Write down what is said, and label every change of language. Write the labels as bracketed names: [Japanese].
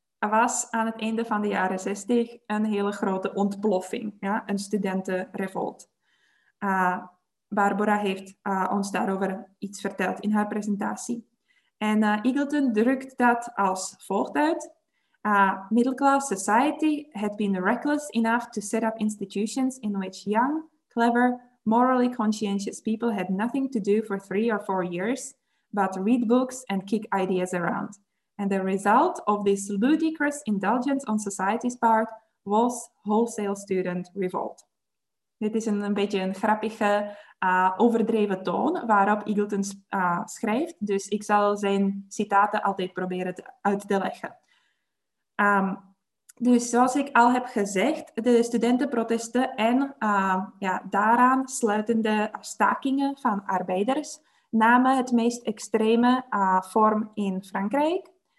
[Dutch] was aan het einde van de jaren 60 een hele grote ontploffing, ja? Een studentenrevolt. Barbara heeft ons daarover iets verteld in haar presentatie. En Eagleton drukt dat als volgt uit. [English] Middle class society had been reckless enough to set up institutions in which young, clever, morally conscientious people had nothing to do for 3 or 4 years but read books and kick ideas around. And the result of this ludicrous indulgence on society's part was wholesale student revolt. [Dutch] Dit is een beetje een grappige, overdreven toon waarop Eagleton schrijft. Dus ik zal zijn citaten altijd proberen uit te leggen. Dus zoals ik al heb gezegd, de studentenprotesten en daaraan sluitende stakingen van arbeiders namen het meest extreme vorm in Frankrijk.